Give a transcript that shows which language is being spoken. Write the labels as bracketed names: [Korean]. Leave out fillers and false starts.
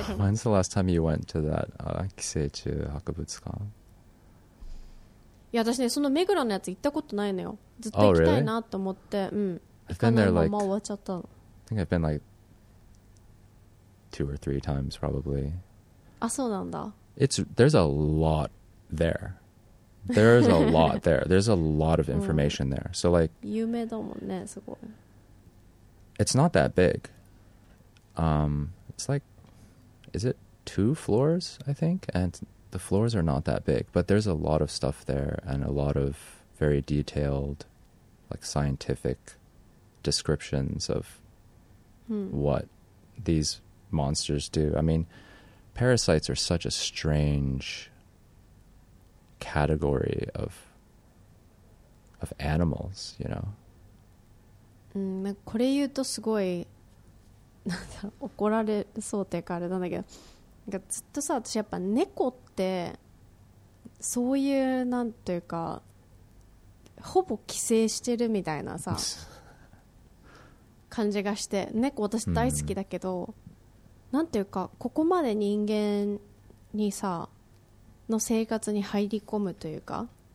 [English] When's the last time you went to that Kiseichu Hakubutsukan? [Japanese] Yeah, 私ね、その目黒のやつ行ったことないのよ。ずっと行きたいなと思って、うん。 [English] I've been there like, I think I've been like 2 or 3 times probably. [Japanese] あ、そうなんだ。 [English] There's a lot there. There's a lot there. There's a lot of information there. So like, [Japanese] 有名だもんね、すごい。 [English] It's not that big. It's like, is it 2 floors, I think? And the floors are not that big, but there's a lot of stuff there and a lot of very detailed, like scientific descriptions of what these monsters do. I mean, parasites are such a strange category of animals, you know. [Japanese] これ言うとすごい、なんだろう、怒られそうってかあれなんだけど、なんかずっとさ、私やっぱ猫ってそういうなんというかほぼ寄生してるみたいなさ感じがして、猫私大好きだけど、なんていうかここまで人間にさの生活に入り込むというか、